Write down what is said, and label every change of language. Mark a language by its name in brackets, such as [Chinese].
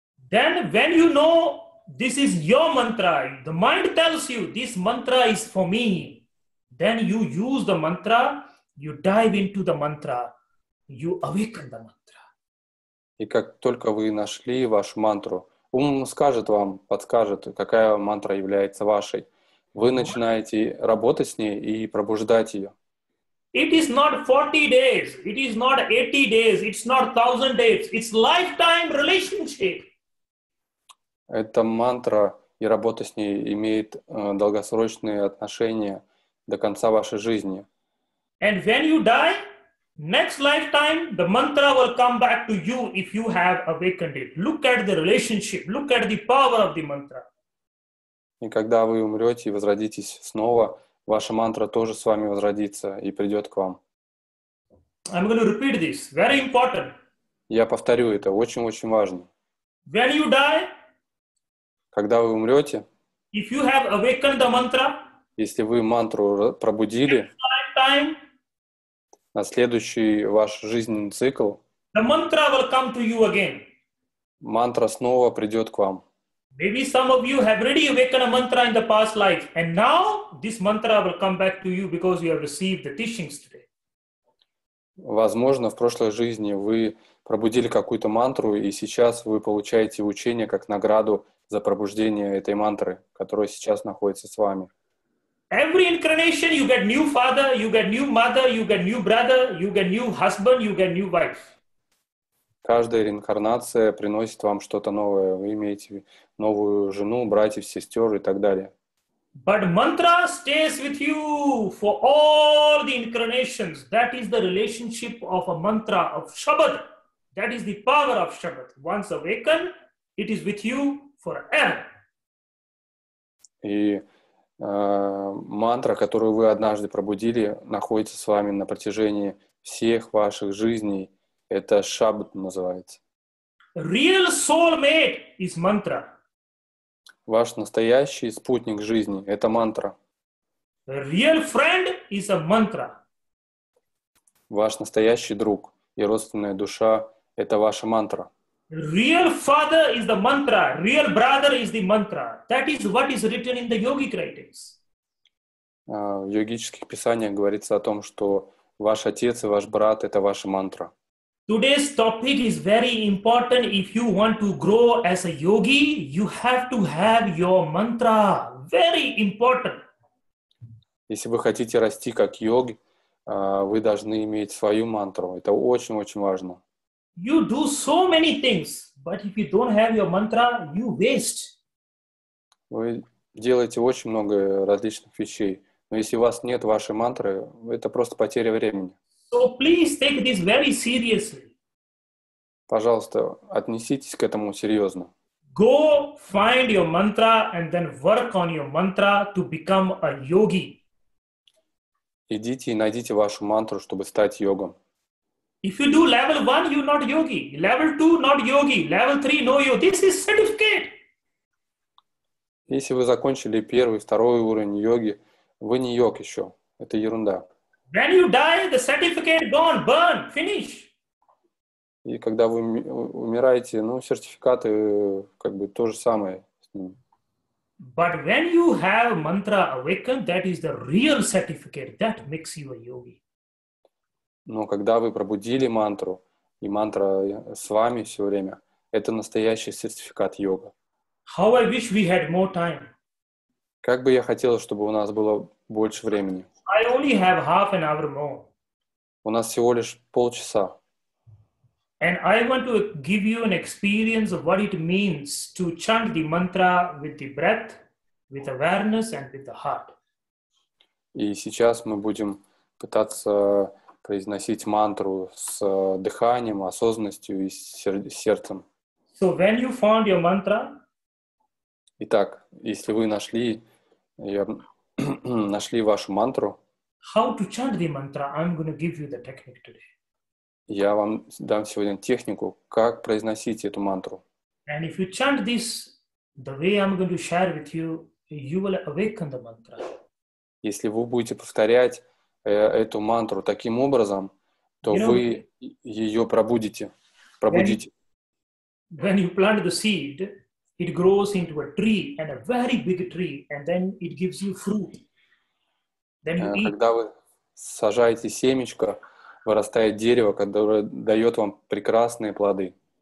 [English] Then when you know this is your mantra, the mind tells you this mantra is for me, then you use the mantra, you dive into the mantra, you awaken the mantra. [Russian] И как только вы нашли вашу мантру, ум скажет вам, подскажет, какая мантра является вашей. Вы начинаете работать с ней и пробуждать ее. [English] It is not 40 days, it is not 80 days, it's not 1000 days, it's lifetime relationship. [Russian] Эта мантра и работа с ней имеет долгосрочные отношения до конца вашей жизни. [English] And when you die, next lifetime, the mantra will come back to you if you have awakened it. Look at the relationship. Look at the power of the mantra. [Russian] И когда вы умрете и возродитесь снова, ваша мантра тоже с вами возродится и придет к вам. [English] I'm going to repeat this. Very important. [Russian] Я повторю это. Очень-очень важно. [English] When you die, [Russian] когда вы умрете, [English] if you have awakened the mantra, [Russian] если вы мантру пробудили, [English] next lifetime, [Russian] на следующий ваш жизненный цикл [English] the mantra will come to you again. [Russian] Мантра снова придет к вам. [English] Maybe some of you have already awakened a mantra in the past life, and now this mantra will come back to you because you have received the teachings today. [Russian] Возможно, в прошлой жизни вы пробудили какую-то мантру, и сейчас вы получаете учение как награду за пробуждение этой мантры, которая сейчас находится с вами. [English] Every incarnation you get new father, you get new mother, you get new brother, you get new husband, you get new wife. [Russian] Каждая реинкарнация приносит вам что-то новое. Вы имеете новую жену, братьев, сестер и так далее. [English] But mantra stays with you for all the incarnations. That is the relationship of a mantra of Shabad. That is the power of Shabad. Once awakened, it is with you forever. [Russian] И мантра, которую вы однажды пробудили, находится с вами на протяжении всех ваших жизней. Это шабд называется. [English] Real soulmate is mantra. [Russian] Ваш настоящий спутник жизни — это мантра. [English] Real friend is a mantra. [Russian] Ваш настоящий друг и родственная душа — это ваша мантра. [English] Real father is the mantra. Real brother is the mantra. That is what is written in the yogic writings. [Russian] В йогических писаниях говорится о том, что ваш отец и ваш брат — это ваша мантра. [English] Today's topic is very important. If you want to grow as a yogi, you have to have your mantra. Very important. [Russian] Если вы хотите расти как йоги, вы должны иметь свою мантру. Это очень-очень важно. [English] You do so many things, but if you don't have your mantra, you waste. [Russian] Вы делаете очень много различных вещей, но если у вас нет вашей мантры, это просто потеря времени. [English] So please take this very seriously. [Russian] Пожалуйста, отнеситесь к этому серьезно. [English] Go find your mantra and then work on your mantra to become a yogi. [Russian] Идите и найдите вашу мантру, чтобы стать йогом. [English] If you do level 1, you're not yogi. Level 2, not yogi. Level 3, no yogi. This is certificate. [Russian] Если вы закончили первый, второй уровень йоги, вы не йог еще. Это ерунда. [English] When you die, the certificate gone, burn, finish. [Russian] И когда вы умираете, ну, сертификаты как бы то же самое с ним. [English] But when you have mantra awakened, that is the real certificate. That makes you a yogi. [Russian] Но когда вы пробудили мантру, и мантра с вами все время, это настоящий сертификат йога. [English] How I wish we had more time. [Russian] Как бы я хотел, чтобы у нас было больше времени. [English] I only have half an hour more. [Russian] У нас всего лишь полчаса. [English] And I want to give you an experience of what it means to chant the mantra with the breath, with awareness and with the heart. [Russian] И сейчас мы будем пытаться произносить мантру с дыханием, осознанностью и сердцем. [English] So when you found your mantra, [Russian] итак, если вы нашли вашу мантру, [English] how to chant the mantra, I'm going to give you the technique today. [Russian] Я вам дам сегодня технику, как произносить эту мантру. [English] And if you chant this the way I'm going to share with you, you will awaken the mantra. [Russian] Если вы будете повторять эту мантру таким образом, то вы ее пробудите. [English] When you plant the seed, it grows into a tree, and a very big tree, and then it gives you fruit. Then you eat. [Russian] Когда вы сажаете семечко, вырастает дерево, которое дает вам прекрасные плоды.